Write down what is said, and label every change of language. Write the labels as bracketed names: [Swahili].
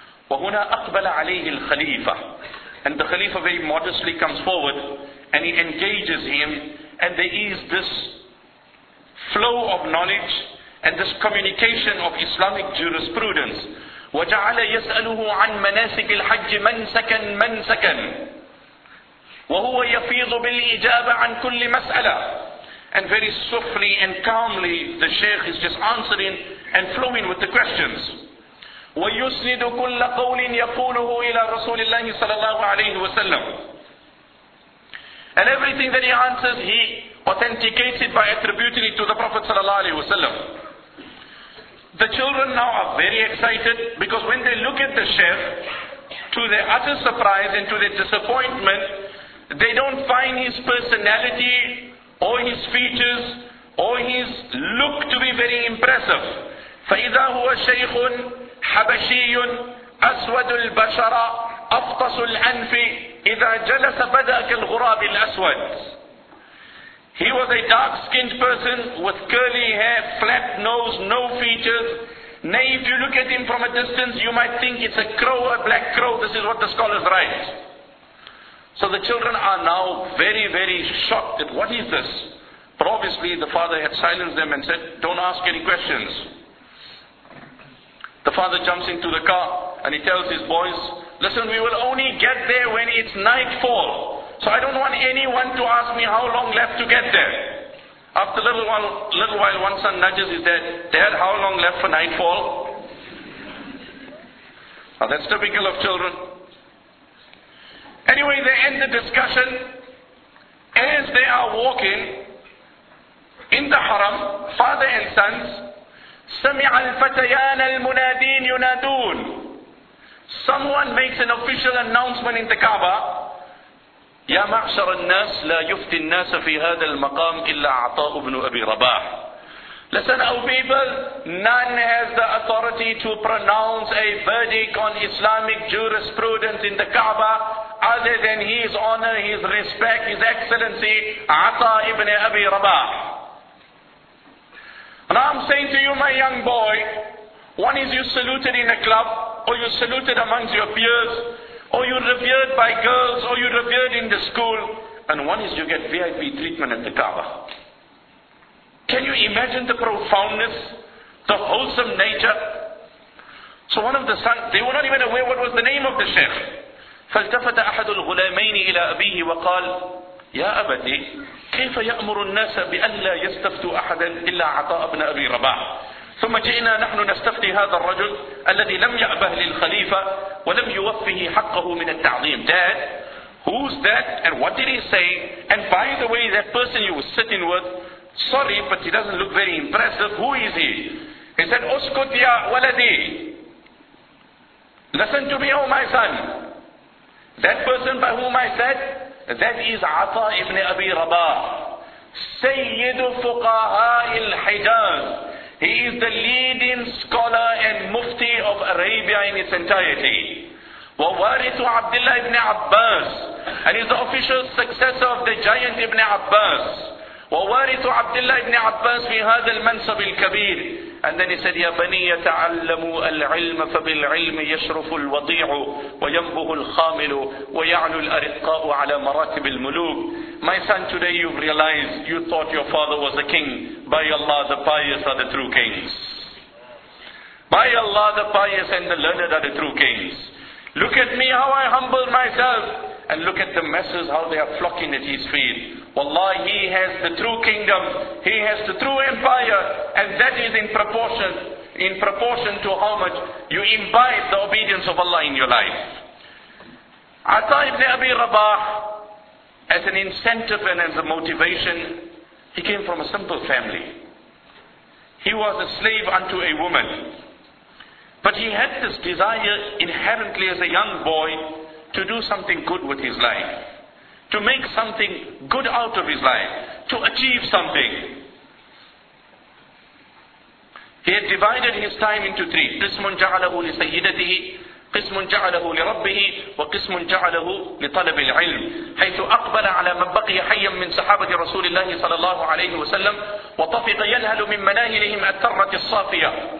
[Arabic] وَهُنَا أَقْبَلَ عَلَيْهِ الْخَلِيفَةِ [English] And the Khalifa very modestly comes forward and he engages him, and there is this flow of knowledge and this communication of Islamic jurisprudence. [Arabic] وَجَعَلَ يَسْأَلُهُ عَنْ مَنَاسِكِ الْحَجِّ مَنْ سَكَنْ وَهُوَ يَفِيضُ بِالْإِجَابَ عَنْ كُلِّ مَسْأَلَةٍ [English] And very softly and calmly the Shaykh is just answering and flowing with the questions. [Arabic] وَيُسْنِدُ كُلَّ قَوْلٍ يَقُولُهُ إِلَى رَسُولِ اللَّهِ صَلَى اللَّهُ عَلَيْهِ وَسَلَّمُ [English] And everything that he answers, he authenticates it by attributing it to the Prophet صلى الله عليه وسلم. The children now are very excited, because when they look at the chef, to their utter surprise and to their disappointment, they don't find his personality or his features or his look to be very impressive. [Arabic] فَإِذَا هُوَ شَيْخٌ حَبَشِيٌ أَسْوَدُ الْبَشَرَ أَفْطَسُ الْأَنْفِ إِذَا جَلَسَ بَدَأَكَ الْغُرَابِ الْأَسْوَدِ [English] He was a dark-skinned person with curly hair, flat nose, no features. Nay, if you look at him from a distance, you might think it's a crow, a black crow. This is what the scholars write. So the children are now very, very shocked at what is this. But obviously the father had silenced them and said, don't ask any questions. The father jumps into the car and he tells his boys, listen, we will only get there when it's nightfall. So I don't want anyone to ask me how long left to get there. After a little while, one son nudges his dad. Dad, how long left for nightfall? Now that's typical of children. Anyway, they end the discussion. As they are walking in the haram, father and sons, [Arabic] سَمِعَ الْفَتَيَانَ الْمُنَادِينَ يُنَادُونَ [English] Someone makes an official announcement in the Kaaba. يا [Arabic] يا معشر الناس لا يفتي الناس في هذا المقام إلا عطاء بن أبي رباح. [English] Listen, O people, none has the authority to pronounce a verdict on Islamic jurisprudence in the Kaaba other than his honor, his respect, his excellency, Ata ibn Abi Rabah. And I'm saying to you, my young boy, one is you saluted in a club, or you saluted amongst your peers, or you revered by girls, or you revered in the school, and one is you get VIP treatment in the Kaaba. Can you imagine the profoundness, the wholesome nature? So one of the sons, they were not even aware what was the name of the sheikh. [Arabic] فَالْتَفَتَ أَحَدُ الْغُلَامَيْنِ إِلَىٰ أَبِيهِ وَقَالَ يَا أَبَتِي كَيْفَ يَأْمُرُ النَّاسَ بِأَلَّا يَسْتَفْتُوا أَحَدًا إِلَّا عَطَاءَ ابْنَ أَبِي رَبَاحٍ ثم جئنا نحن نستفتي هذا الرجل الذي لم يأبه للخليفة ولم يوفه حقه من التعظيم. [English] Dad, who's that and what did he say? And by the way, that person you were sitting with, sorry, but he doesn't look very impressive. Who is he? He said, [Arabic] أسكت يا ولدي. [English] Listen to me, oh my son. That person by whom I said, that is Ata ibn Abi Rabah, [Arabic] سيد فقهاء الحجاز. [English] He is the leading scholar and mufti of Arabia in its entirety. [Arabic] ووارث عبد الله ابن عباس. [English] And he's the official successor of the giant ibn Abbas. [Arabic] ووارث عبد الله ابن عباس في هذا المنصب الكبير. [English] And then he said, [Arabic] يا بني يتعلموا العلم فبالعلم يشرف الوضيع وينبه الخامل ويعلو الأرقاء على مراتب الملوك. [English] My son, today you've realized you thought your father was a king. By Allah, the pious are the true kings. By Allah, the pious and the learned are the true kings. Look at me, how I humbled myself. And look at the masses, how they are flocking at his feet. Wallahi, he has the true kingdom, he has the true empire, and that is in proportion to how much you imbibe the obedience of Allah in your life. Ata ibn Abi Rabah, as an incentive and as a motivation, he came from a simple family. He was a slave unto a woman. But he had this desire inherently as a young boy to do something good with his life, to make something good out of his life, to achieve something. He had divided his time into three. [Arabic] قِسْمٌ جَعَلَهُ لِسَيِّدَتِهِ قِسْمٌ جَعَلَهُ لِرَبِّهِ وَقِسْمٌ جَعَلَهُ لِطَلَبِ الْعِلْمِ حيث أقبل على من بقي حيا من صحابة رسول الله صلى الله عليه وسلم وطفق ينهل من مناهلهم الترة الصافية.